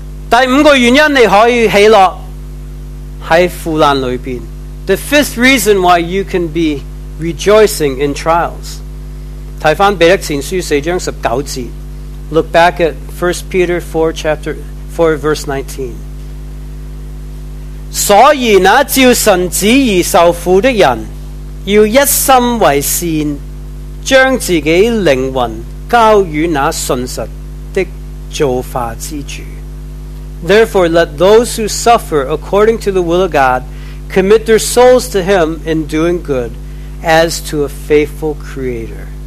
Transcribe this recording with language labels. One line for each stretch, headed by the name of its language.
Chinese: 第五个原因你可以喜乐，在苦难里边。
English: The fifth reason why you can be rejoicing in trials.
Chinese: 看回彼得前书四章十九节。
English: Look back at 1 Peter 4, chapter 4, verse 19.
Chinese: 所以那照神旨意受苦的人，要一心为善，将自己灵魂交与那信实的造化之主。
English: Therefore, let those who suffer according to the will of God commit their souls to him in doing good as to a faithful creator.